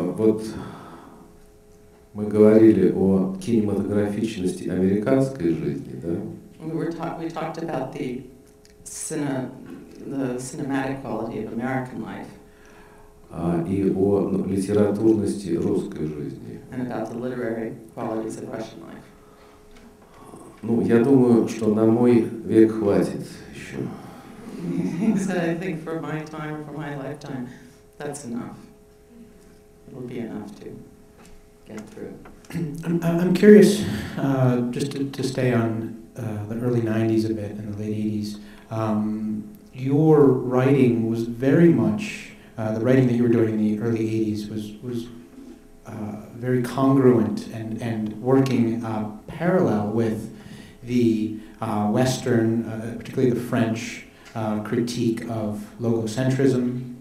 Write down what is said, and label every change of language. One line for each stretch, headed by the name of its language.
Russian: вот мы говорили о кинематографичности американской жизни, да?
English: We talked about the cinematic quality of American life.
Russian: И о литературности русской жизни.
English: And about the literary qualities of Russian life.
Russian: Ну, я думаю, что на мой век хватит еще.
English: So I think for my time, for my lifetime, that's enough. It will be enough to get through. I'm curious, just to stay on the early 90s a bit and the late 80s, your writing was very much, the writing that you were doing in the early 80s was very congruent and working parallel with the Western, particularly the French, critique of logocentrism.